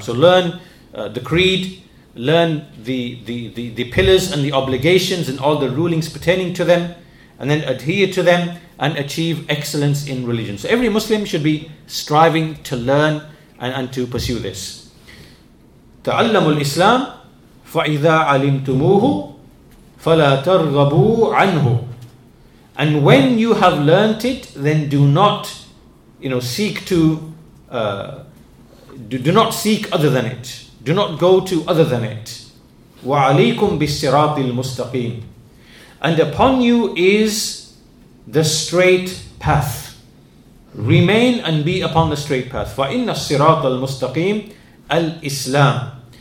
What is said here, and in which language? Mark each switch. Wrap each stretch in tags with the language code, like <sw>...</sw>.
<en>So learn the creed, learn the pillars and the obligations and all the rulings pertaining to them, and then adhere to them and achieve excellence in religion. So every Muslim should be striving to learn and to pursue this.</en> <ar>تعلموا الإسلام فإذا علمتموه فلا ترغبوا عنه.</ar> <en>And when you have learnt it, then do not, you know, seek to do not seek other than it. Do not go to other than it.</en> <ar>وعليكم بالصراط المستقيم.</ar> <en>And upon you is the straight path. Remain and be upon the straight path.</en> <ar>فإن الصراط المستقيم الإسلام.</ar>